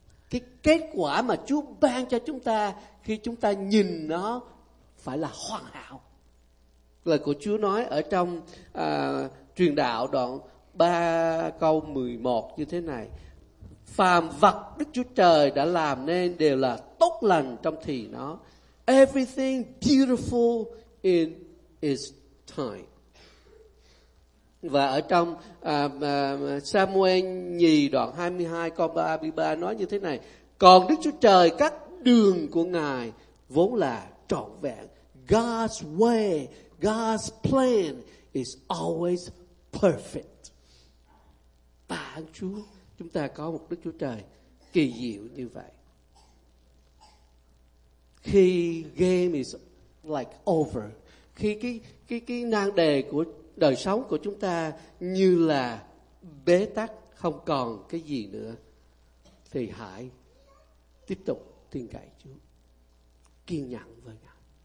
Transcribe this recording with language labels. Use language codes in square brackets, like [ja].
[vi] Cái kết quả mà Chúa ban cho chúng ta khi chúng ta nhìn nó phải là hoàn hảo. Lời của Chúa nói ở trong truyền đạo đoạn 3 câu 11 như thế này: phàm vật Đức Chúa Trời đã làm nên đều là tốt lành trong thì nó. [en] Everything beautiful in its time. [vi] Và ở trong Samuel nhì đoạn 22 câu 33 nói như thế này: còn Đức Chúa Trời, các đường của Ngài vốn là trọn vẹn. [en] God's way, God's plan is always perfect. [vi] Tạ ơn Chúa, chúng ta có một Đức Chúa Trời kỳ diệu như vậy. Khi [en] game is like over, [vi] khi cái nan đề của đời sống của chúng ta như là bế tắc, không còn cái gì nữa, thì hãy tiếp tục tin cậy Chúa, kiên nhẫn với Ngài.